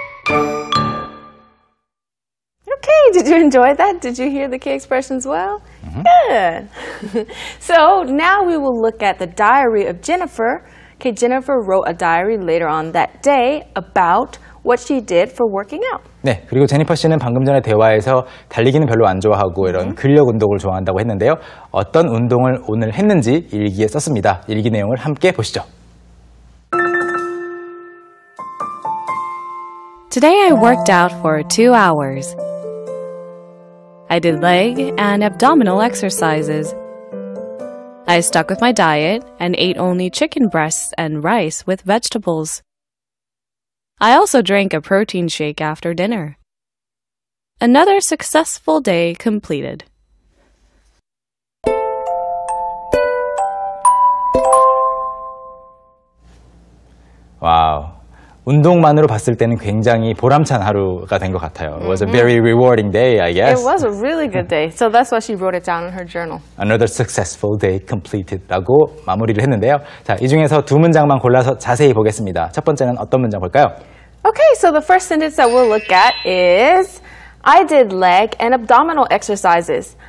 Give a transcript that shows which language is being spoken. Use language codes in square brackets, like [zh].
[en] Okay, did you enjoy that? Did you hear the key expressions well? Good. So now we will look at the diary of Jennifer. Okay, Jennifer wrote a diary later on that day about what she did for working out. [ko] 네, 그리고 제니퍼 씨는 방금 전에 대화에서 달리기는 별로 안 좋아하고 이런 근력 운동을 좋아한다고 했는데요. 어떤 운동을 오늘 했는지 일기에 썼습니다. 일기 내용을 함께 보시죠. [en] Today I worked out for 2 hours. I did leg and abdominal exercises. I stuck with my diet and ate only chicken breasts and rice with vegetables. I also drank a protein shake after dinner. Another successful day completed. Wow. [ko] 운동만으로 봤을 때는 굉장히 보람찬 하루가 된 것 같아요. [en] It was a very rewarding day, I guess. It was a really good day. So that's why she wrote it down in her journal. Another successful day completed. [ko] 라고 마무리를 했는데요. 자, 이 중에서 두 문장만 골라서 자세히 보겠습니다. 첫 번째는 어떤 문장 볼까요? [en] Okay, so the first sentence that we'll look at is I did leg and abdominal exercises.